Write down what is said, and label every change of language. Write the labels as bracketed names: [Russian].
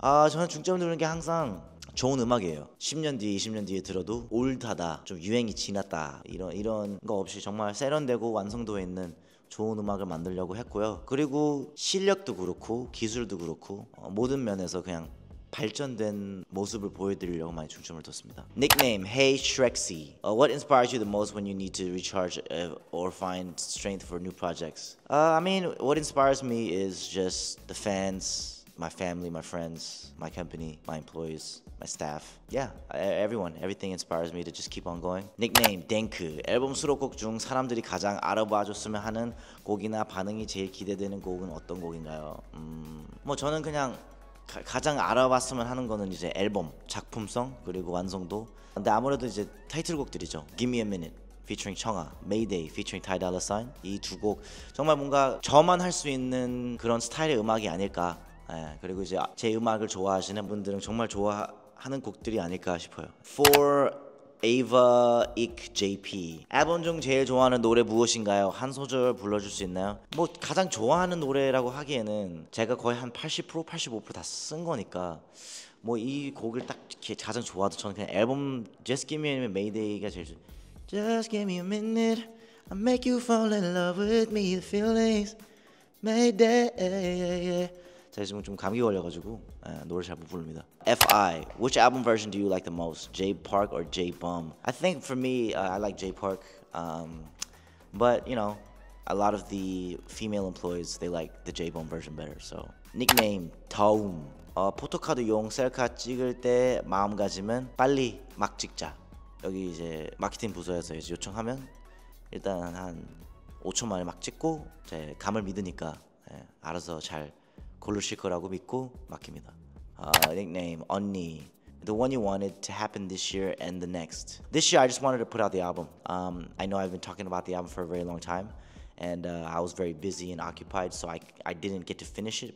[Korean] 저는 중점 두는 게 항상 좋은 음악이에요. 10년 뒤, 20년 뒤에 들어도 올드하다, 좀 유행이 지났다 이런 거 없이 정말 세련되고 완성도 있는 좋은 음악을 만들려고 했고요. 그리고 실력도 그렇고 기술도 그렇고 모든 면에서 그냥 발전된 모습을 보여드리려고 많이 중점을 뒀습니다. [English] Nickname, Hey Shrexy. What inspires you the most when you need to recharge or find strength for new projects? I mean, what inspires me is just the fans, my family, my friends, my company, my employees, my staff. Yeah, everyone. Everything inspires me to just keep on going. Nickname, Denk. [Korean] 앨범 수록곡 중 사람들이 가장 알아봐줬으면 하는 곡이나 반응이 제일 기대되는 곡은 어떤 곡인가요? 뭐 저는 그냥 가장 알아봤으면 하는 거는 이제 앨범 작품성 그리고 완성도. 근데 아무래도 이제 타이틀곡들이죠. [English] Give Me a Minute featuring 청아, Mayday featuring Ty Dolla Sign. [Korean] 이두곡 정말 뭔가 저만 할수 있는 그런 스타일의 음악이 아닐까. 예, 그리고 이제 제 음악을 좋아하시는 분들은 정말 좋아하는 곡들이 아닐까 싶어요. [English] For Ava Ik JP. [Korean] 앨범 중 제일 좋아하는 노래 무엇인가요? 한 소절 불러줄 수 있나요? 뭐 가장 좋아하는 노래라고 하기에는 제가 거의 한 80%, 85%다쓴 거니까 뭐이 곡을 딱 가장 좋아도 저는 그냥 앨범 Just Give Me a Mayday가 제일 [English] Just give me a minute I'll make you fall in love with me the feelings Mayday. [Korean] 제가 지금 좀 감기 걸려가지고 노래 잘못 부릅니다. [English] FI, which album version do you like the most? Jay Park or Jay Bum? I think for me, I like Jay Park. But you know, a lot of the female employees they like the Jay Bum version better. So, nickname, 다음. [Korean] 포토카드용 셀카 찍을 때 마음가짐은 빨리 막 찍자. 여기 이제 마케팅 부서에서 이제 요청하면 일단 한 5초 만에 막 찍고 제 감을 믿으니까 알아서 잘 고르실 거라고 믿고 맡깁니다. [English] Nickname, 언니. The one you wanted to happen this year and the next. This year, I just wanted to put out the album. I know I've been talking about the album for a very long time, and I was very busy and occupied, so I didn't get to finish it.